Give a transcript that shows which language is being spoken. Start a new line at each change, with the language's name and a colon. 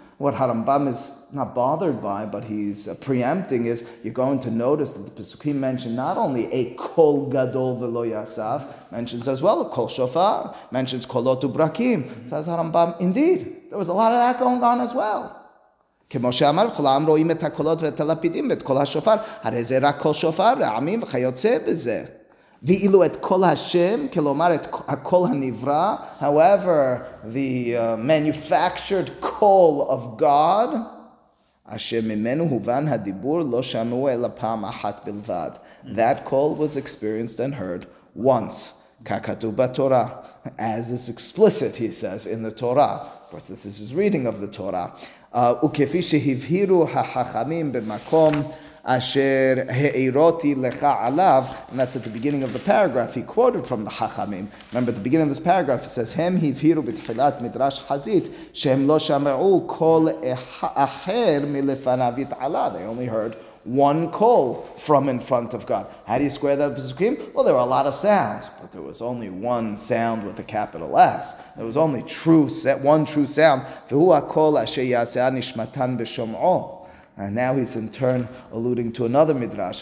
English: What Harambam is not bothered by, but he's preempting, is you're going to notice that the Pesukim mentioned not only a kol gadol v'lo yasaf, mentions as well a kol shofar, mentions kolot ubrakim. Says Harambam, indeed, there was a lot of that going on as well.
Hebrew: כמו שאמר, כולם רואים את הקולות ואת הלפידים ואת כל השופר, הרי זה רק כל שופר, רעמים וכיוצא בזה. ואילו את כל השם, כלומר את הקול הנברא,
English: however, the manufactured call of God,
Hebrew: אשר ממנו הובן הדיבור לא שמעו אלא פעם אחת בלבד.
English: That call was experienced and heard once.
Hebrew: ככתוב בתורה,
English: as is explicit, he says, in the Torah. Of course, this is his reading of the Torah.
Hebrew: וכפי שהבהירו החכמים במקום אשר העירותי לך עליו,
English: and that's at the beginning of the paragraph, he quoted from the חכמים. Remember, at the beginning of this paragraph, it says,
Hebrew: הם הבהירו בתחילת מדרש חזית שהם לא שמעו קול אחר מלפניו התעלה.
English: They only heard one call from in front of God. How do you square that pesukim? Well, there were a lot of sounds, but there was only one sound with a capital S. There was only one true sound. And now he's in turn alluding to another midrash.